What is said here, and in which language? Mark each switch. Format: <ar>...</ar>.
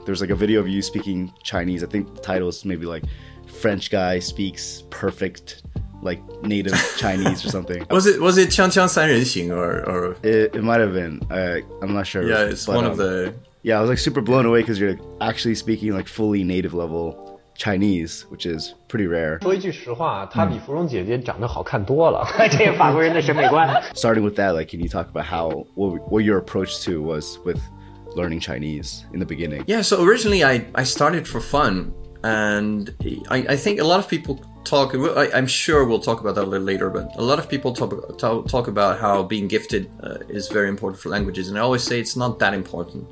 <en>There's a video of you speaking Chinese. I think the title is maybe French guy speaks perfect native Chinese or something. was it Qiang Qiang San Ren Xing or? It might have been. I'm not sure. Yeah, it's one of the... Yeah, I was super blown away because you're actually speaking fully native level Chinese, which is pretty rare.</en> <zh>说一句实话, 她比芙蓉姐姐长得好看多了。这个法国人的审美观。</zh> <en>Starting with that, can you talk about how what your approach to was with learning Chinese in the beginning? Yeah, so originally I started for fun, and I think a lot of people talk, I'm sure we'll talk about that a little later, but a lot of people talk about how being gifted is very important for languages, and I always say it's not that important.</en>